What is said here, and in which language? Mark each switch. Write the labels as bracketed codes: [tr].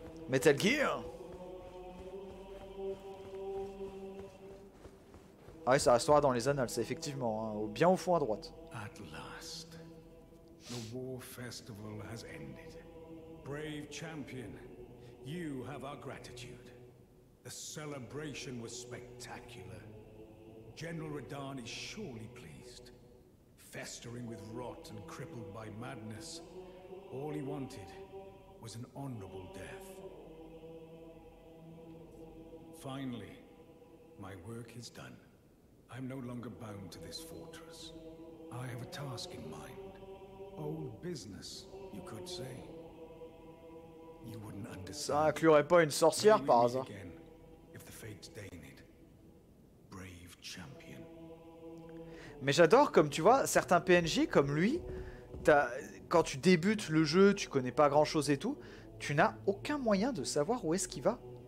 [en] Metal Gear! [fr] Ah ouais, ça restera dans les annales, c'est effectivement, hein, bien au fond à droite. [en] At last, the war festival has ended. Brave champion, you have our gratitude. The celebration was spectacular. General Radahn is surely pleased. Festering with rot and crippled by madness, all he wanted was an honorable death. Finally, my work is done. I'm no longer bound to this fortress. I have a task in mind. Old business, you could say. You wouldn't understand. [fr] Ça inclurait pas une sorcière, par hasard. [en] Again, if the fates deign it. Brave champion. [fr] Mais j'adore, comme tu vois, certains PNJ comme lui, quand tu débutes le jeu, tu connais pas grand chose et tout, tu n'as aucun moyen de savoir où est-ce qu'il va.